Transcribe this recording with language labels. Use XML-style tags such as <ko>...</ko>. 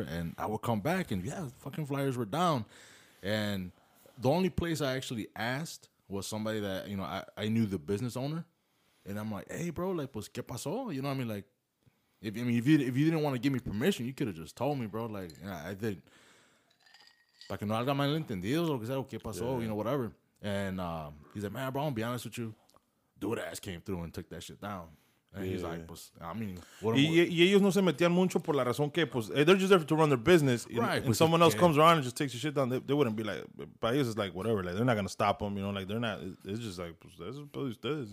<en>And I would come back, and yeah, fucking flyers were down. And the only place I actually asked was somebody that, you know, I knew the business owner. And I'm like, hey, bro, like,</en> <es>pues, ¿qué pasó?</es> <en>You know what I mean? Like, if you didn't want to give me permission, you could have just told me, bro. Like, yeah, I did.</en> <es>Para que no haga mal entendido, lo que sea, ¿qué pasó?</es> <en>Yeah. You know, whatever. And he's like, man, bro, I'm going to be honest with you. Dude ass came through and took that shit down. And yeah, he's like,</en> <es>pues,</es> <en>I mean, what am I?</en> <es>Y ellos no se metían mucho por la razón que, pues,</es> <en>they're just there to run their business. Right. And</en> <es>pues</es> <en>someone else comes around and just takes your shit down, they wouldn't be like, but it's just like, whatever. Like, they're not going to stop them, you know? Like, they're not, it's just like,</en> <es>pues,</es> <en>this is what this is.</en>